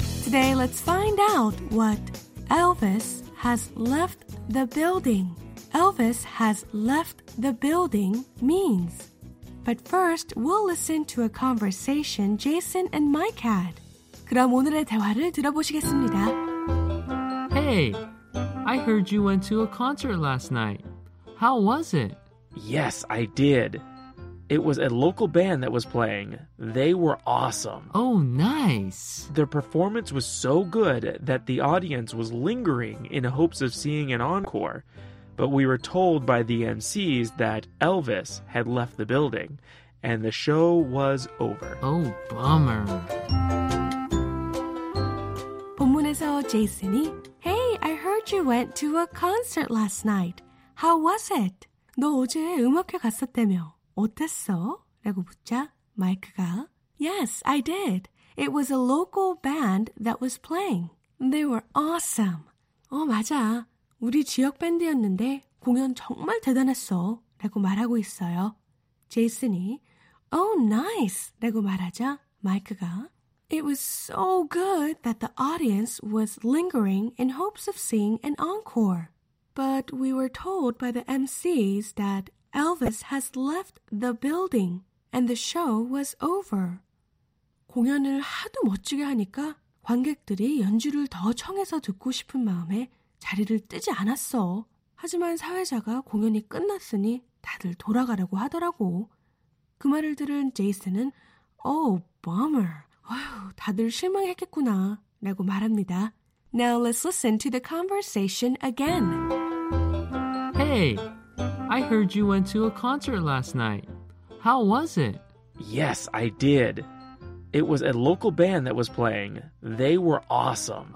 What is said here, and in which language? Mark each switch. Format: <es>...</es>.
<ko>네,</ko> <en>let's find out what Elvis has left the building. Elvis has left the building means. But first, we'll listen to a conversation Jason and Mike had.</en> <ko>그럼 오늘의 대화를 들어보시겠습니다.</ko> <en>Hey, I heard you went to a concert last night. How was it? Yes, I did. It was a local band that was playing. They were awesome. Oh, nice. Their performance was so good that the audience was lingering in hopes of seeing an encore. But we were told by the MCs that Elvis had left the building, and the show was over. Oh, bummer.</en> <ko>본문에서 제이슨이</ko> <en>Hey, I heard you went to a concert last night. How was it?</en> <ko>너 어제 음악회 갔었다며 어땠어? 라고 묻자 마이크가</ko> <en>Yes, I did. It was a local band that was playing. They were awesome.</en> <ko>어, 맞아. 우리 지역 밴드였는데 공연 정말 대단했어. 라고 말하고 있어요. 제이슨이</ko> <en>Oh, nice.</en> <ko>라고 말하자 마이크가</ko> <en>It was so good that the audience was lingering in hopes of seeing an encore. But we were told by the MCs that Elvis has left the building and the show was over.</en> <ko>공연을 하도 멋지게 하니까 관객들이 연주를 더 청해서 듣고 싶은 마음에 자리를 뜨지 않았어. 하지만 사회자가 공연이 끝났으니 다들 돌아가려고 하더라고. 그 말을 들은 제이슨은</ko> <en>Oh, bummer.</en> <ko>어휴, 다들 실망했겠구나. 라고 말합니다.</ko> <en>Now let's listen to the conversation again. Hey, I heard you went to a concert last night. How was it? Yes, I did. It was a local band that was playing. They were awesome.</en>